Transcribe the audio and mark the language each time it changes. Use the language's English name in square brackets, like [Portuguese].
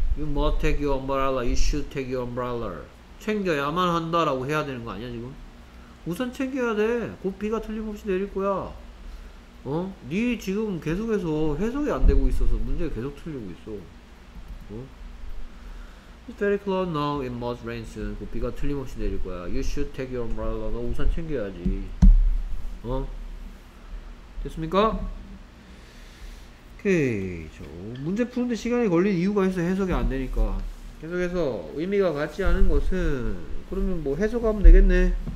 [English] You must take your umbrella, you should take your umbrella. [Korean] 챙겨야만 한다 라고 해야 되는 거 아니야 지금? 우선 챙겨야 돼. 곧 비가 틀림없이 내릴 거야. 어? 네 지금 계속해서 해석이 안 되고 있어서 문제가 계속 틀리고 있어. 어? [English] It's very cloud now, it must rain soon. [Korean] 곧 비가 틀림없이 내릴 거야. [English] You should take your umbrella, [Korean] 너 우선 챙겨야지. 어? 됐습니까? 오케이, 저 문제 푸는데 시간이 걸린 이유가 있어. 해석이 안 되니까 계속해서 의미가 같지 않은 것은 그러면 뭐 해석하면 되겠네.